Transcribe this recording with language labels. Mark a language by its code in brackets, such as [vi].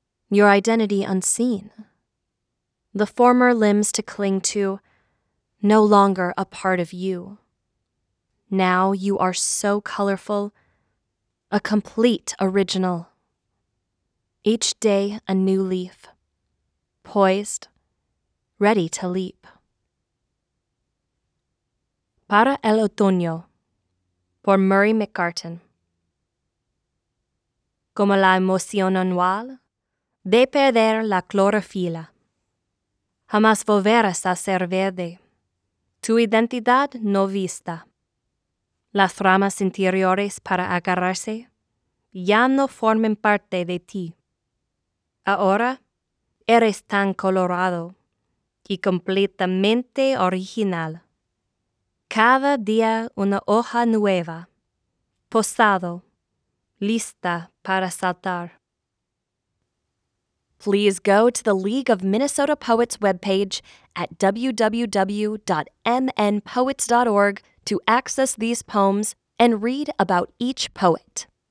[en] Your identity unseen. The former limbs to cling to, no longer a part of you. Now you are so colorful, a complete original. Each day a new leaf, poised, ready to leap. [es] Para el Otoño, por Murray McCartan. Como la emoción anual de perder la clorofila. Jamás volverás a ser verde, tu identidad no vista. Las ramas interiores para agarrarse ya no formen parte de ti. Ahora eres tan colorado y completamente original. Cada día una hoja nueva, posado, lista para saltar. [en] Please go to the League of Minnesota Poets webpage at www.mnpoets.org to access these poems and read about each poet.